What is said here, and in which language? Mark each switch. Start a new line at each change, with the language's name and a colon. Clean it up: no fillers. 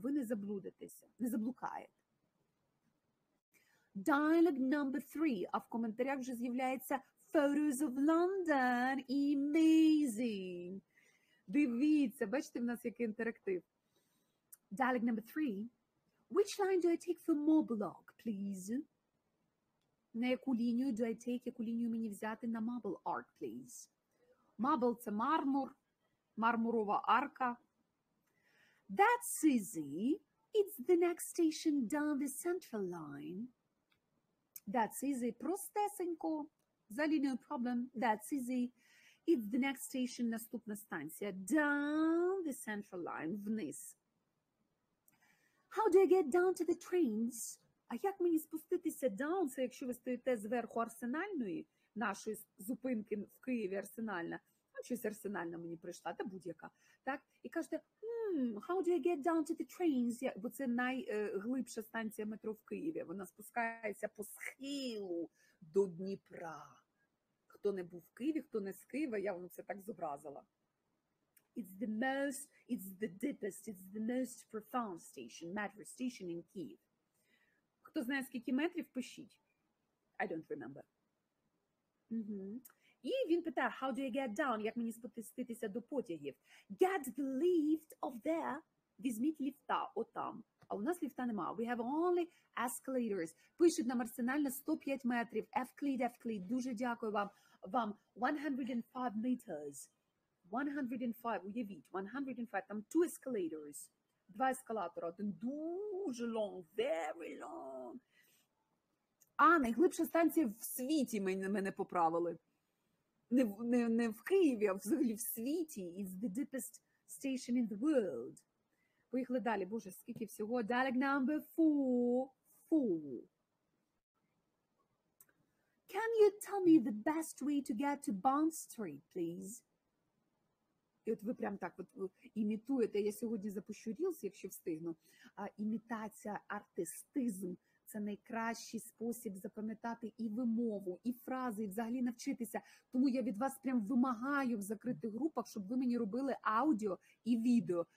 Ukrainian: Ви не заблудитеся, не заблукаєте.
English: Dialogue number three.
Ukrainian: А в коментарях вже з'являється
English: photos of London. Amazing.
Ukrainian: Дивіться, бачите, в нас який інтерактив.
English: Dialogue number three. Which line do I take for Moblog, please?
Ukrainian: На яку лінію
English: do I take,
Ukrainian: яку лінію мені взяти на Marble Arch, please? Marble – це мармур, мармурова арка.
English: That's easy. It's the next station down the central line. That's easy.
Ukrainian: Простесенько. За лінію
English: problem. That's easy. It's the next station,
Ukrainian: наступна станція.
English: Down the central line,
Ukrainian: вниз.
English: How do I get down to the trains?
Ukrainian: А як мені спуститися down, це якщо ви стоїте зверху Арсенальної, нашої зупинки в Києві Арсенальна, там щось Арсенальна мені прийшла, та будь-яка, так? І кажете,
English: how do I get down to the trains?
Ukrainian: Бо це найглибша станція метро в Києві, вона спускається по схилу до Дніпра. Хто не був в Києві, хто не з Києва, я вам це так зобразила.
English: It's the most, it's the deepest, it's the most profound station, metro station in Kyiv.
Ukrainian: Хто знає, скільки метрів, пишіть.
English: I don't remember.
Ukrainian: І він питає,
English: how do I get down?
Ukrainian: Як мені спуститися до потягів?
English: Get the lift of there.
Ukrainian: Візьміть ліфта отам. А у нас ліфта нема.
English: We have only escalators.
Ukrainian: Пишуть нам Арсенальна 105 метрів. Евклід, Евклід. Дуже дякую вам. Вам 105 метрів. 105, уявіть. 105, там 2 escalators. Два ескалатора, один дуже
English: long, very long.
Ukrainian: А найглибша станція в світі мене поправили. Не в Києві, а взагалі в світі.
English: It's the deepest station in the world.
Ukrainian: Поїхали далі. Боже, скільки всього.
English: Dialogue number four. Can you tell me the best way to get to Bond Street, please?
Ukrainian: І от ви прям так от імітуєте, я сьогодні запущу рілс, якщо встигну. Імітація, артистизм – це найкращий спосіб запам'ятати і вимову, і фрази, і взагалі навчитися. Тому я від вас прям вимагаю в закритих групах, щоб ви мені робили аудіо і відео.